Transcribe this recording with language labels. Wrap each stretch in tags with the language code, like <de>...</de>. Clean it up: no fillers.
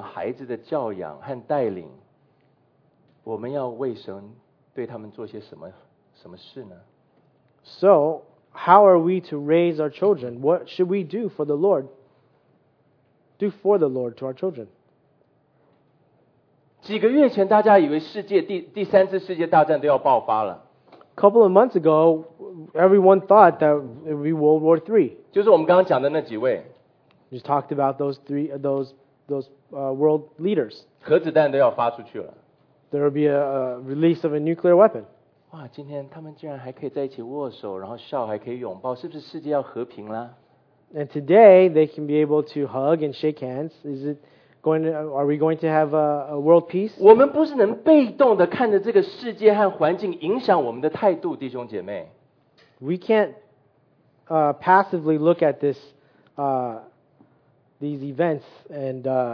<zh>那我们今天对我们孩子的教养和带领, 我们要为神对他们做些什么事呢？</zh> <en>So, how are we to raise our children? What should we do for the Lord? Do for the Lord to our children?</en> <zh>几个月前大家以为世界 第三次世界大战都要爆发了。</zh> <en>Couple of months ago, everyone thought that it would be World War III.</en> <zh>就是我们刚刚讲的那几位。</zh> <en>You talked about those three, world leaders.</en> <zh>核子弹都要发出去了。</zh> <en>There will be a release of a nuclear weapon.</en> <zh>哇，今天他们竟然还可以在一起握手，然后笑，还可以拥抱，是不是世界要和平了？</zh> <en>And today they can be able to hug and shake hands. Is it going to, are we going to have a world peace?</en> <zh>我们不是能被动的看着这个世界和环境影响我们的态度，弟兄姐妹。</zh> <en>We can't passively look at this, these events and,</en>